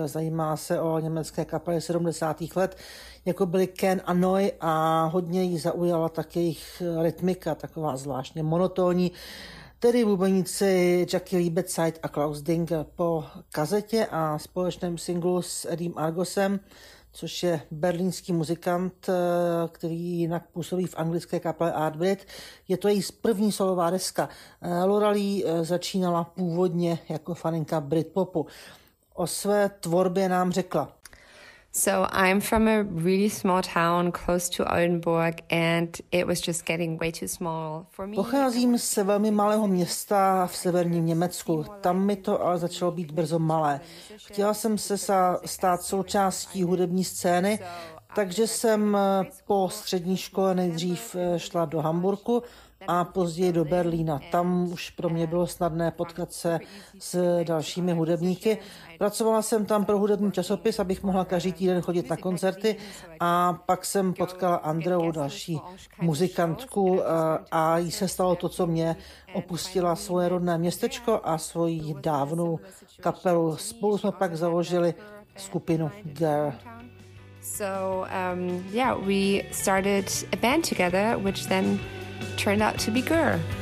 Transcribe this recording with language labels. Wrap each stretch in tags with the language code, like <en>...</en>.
<cs>Zajímá se o německé kapely 70. let, jako byly Ken a Noi, a hodně jí zaujala tak jejich rytmika, taková zvláštně monotónní, tedy bubeníci Jackie Liebezeit a Klaus Ding po kazetě a společném singlu s Eddiem Argosem, což je berlínský muzikant, který jinak působí v anglické kapele Artbreed. Je to její první solová deska. Lora Lee začínala původně jako faninka Britpopu. O své tvorbě nám řekla.</cs> <en>So I'm from a really small town close to Oldenburg and it was just getting way too small for me.</en> <cs>Pocházím z velmi malého města v severním Německu. Tam mi to ale začalo být brzo malé. Chtěla jsem se stát součástí hudební scény, takže jsem po střední škole nejdřív šla do Hamburku, a později do Berlína. Tam už pro mě bylo snadné potkat se s dalšími hudebníky. Pracovala jsem tam pro hudební časopis, abych mohla každý týden chodit na koncerty a pak jsem potkala Andreu, další muzikantku, a jí se stalo to, co mě opustila svoje rodné městečko a svoji dávnou kapelu. Spolu jsme pak založili skupinu Girl.</cs> <en>So we started a band together, which then turned out to be Girl.</en>